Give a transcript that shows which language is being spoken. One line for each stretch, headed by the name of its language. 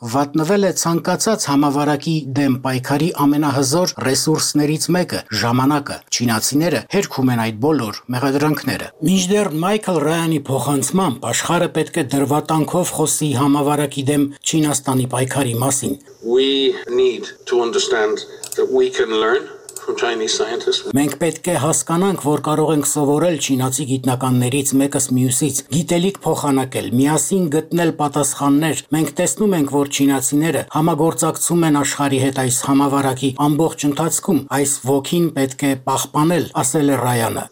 Armenian: վատնվել է ցանկացած համավարակի դեմ պայքարի ամենահզոր ռեսուրսներից մեկը՝ ժամանակը։ Չինացիները հերքում են այդ բոլոր մեղադրանքները։ Մինչդեռ Մայքլ Ռայանի փոխանցմամբ աշխարհը պետք է դրվատանքով խոսի համավարակի դեմ Չինաստանի պայքարի մասին։
English: We need to understand that we can learn from Chinese scientists.
Armenian: Մենք պետք է հասկանանք, որ կարող ենք սովորել չինացի գիտնականներից մեկս մյուսից, գիտելիք փոխանակել, միասին գտնել պատասխաններ։ Մենք տեսնում ենք, որ չինացիները համագործակցում են աշխարհի հետ այս համավարակի ամբողջ ընթացքում, այս ոգին պետք է պահպանել, ասել է Ռայանը։